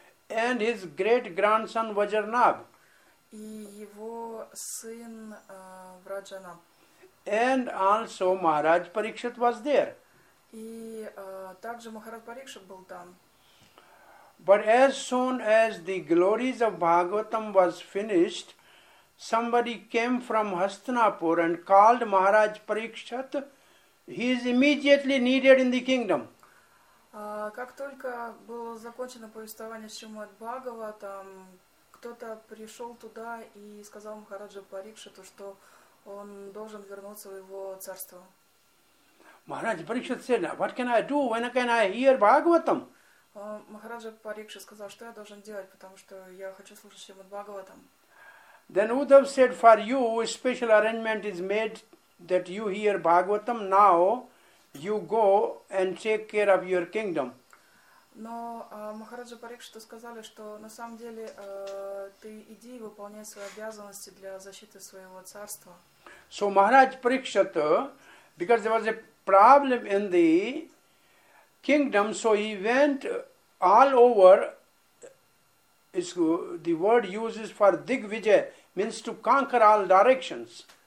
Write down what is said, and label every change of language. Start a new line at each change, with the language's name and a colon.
English: And his great grandson Vajranab.
Russian: И его сын Враджанаб.
English: And also Maharaj Parikshit was there.
Russian: И также Махарадж Парикшит был там.
English: But as soon as the glories of Bhagavatam was finished, somebody came from Hastinapur and called Maharaj Parikshit. He is immediately needed in the kingdom.
Russian: Как только было закончено повествование Шримад Бхагаватам, кто-то пришел туда и сказал Махараджу Парикшиту, что он должен вернуться в его царство.
English: Maharaj Parikshit said, "What can I do? When can I hear Bhagavatam?"
Russian: Махараджа Парикшит сказал, что я должен делать, потому что я хочу слушать Шримад Бхагаватам.
English: Then Uddhav said, "For you, a special arrangement is made that you hear Bhagavatam. Now you go and take care of your kingdom."
Russian: Но Махараджа Парикшиту сказали, что на самом деле ты иди и выполняй свои обязанности для защиты своего царства.
English: So Maharaj Parikshit, because there was a problem in the kingdom, so he went all over. Is the word uses for Digvijay means to conquer all directions.